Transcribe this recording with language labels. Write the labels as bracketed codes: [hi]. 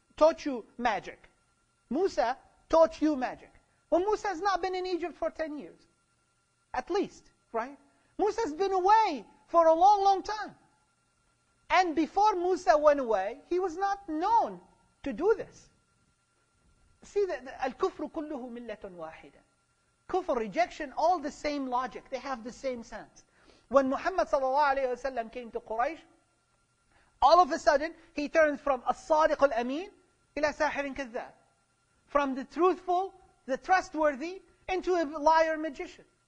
[en] taught you magic. Musa taught you magic. Well, Musa has not been in Egypt for 10 years. At least, right? Musa has been away for a long, long time. And before Musa went away, he was not known to do this. See, the [ar] الكفر كله ملة واحدة. [en] Kufr, rejection, all the same logic. They have the same sense. When Muhammad sallallahu alayhi wasallam came to Quraysh, all of a sudden, he turns from [ar] الصادق الأمين إلى ساحر كذاب. [en] From the truthful, the trustworthy, into a liar magician.